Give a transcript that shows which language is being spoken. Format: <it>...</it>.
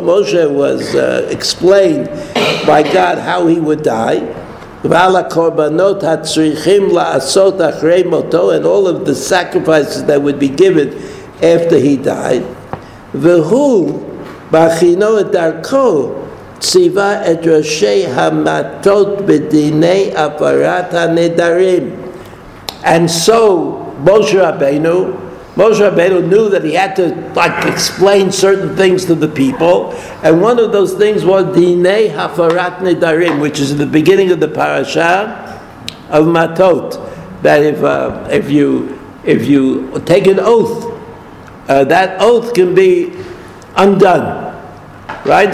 <en>Moshe was explained by God how he would die.</en> <he>V'al korbanot hatzrichim la'asot achrei moto,</he> <en>and all of the sacrifices that would be given after he died.</en> <he>V'hu b'achino et darko ציווה את ראשי המטות בדיני עברת הנדרים.</he> <en>And so Moshe Rabbeinu knew that he had to explain certain things to the people, and one of those things was</en> <he>Dinei Hafarat Nedarim,</he> <en>which is at the beginning of the parasha of Matot, that if you take an oath, that oath can be undone, right?</en>